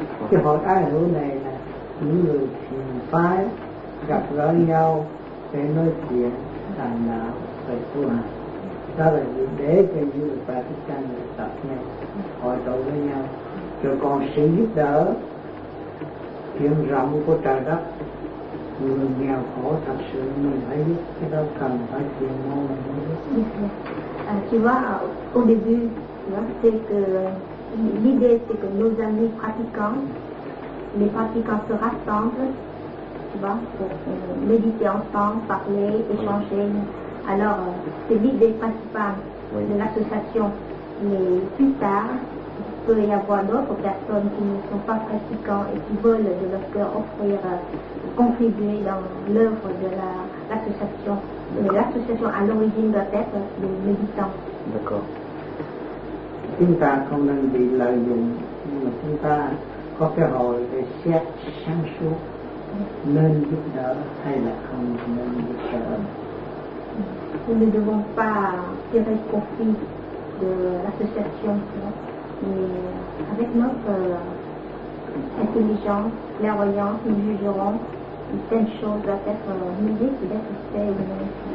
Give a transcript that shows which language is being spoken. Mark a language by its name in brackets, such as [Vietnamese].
[Vietnamese] Thì họ đã hiểu này là những người thiền phái gặp gỡ nhau để nói chuyện thành đạo về tu hành, đó là để cho những người Phật tử chân được tập nhau hội tụ với nhau, rồi còn sự giúp đỡ chuyện rộng của trời đất. Người nghèo khổ thật sự mình phải biết, cái đó cần phải chuyên môn mình mới biết. [French] Tu vois, au début, tu vois, c'est que l'idée c'est que nos amis pratiquants, les pratiquants se rassemblent, tu vois, pour méditer ensemble, parler, échanger. Alors, c'est l'idée principale de l'association. Mais plus tard, il peut y avoir d'autres personnes qui ne sont pas pratiquants et qui veulent de leur cœur offrir, contribuer dans l'œuvre de l'association. Mais l'association à l'origine doit être les méditants. D'accord. [Vietnamese] Chúng ta không nên bị lợi dụng, nhưng mà chúng ta có cơ hội để xét sáng suốt nên giúp đỡ hay là không nên giúp đỡ. [French] Nous ne devons pas tirer profit de l'association, mais avec notre intelligence, clairvoyance, nous jugerons si telle chose doit être mieux qu'il doit être fait ou non.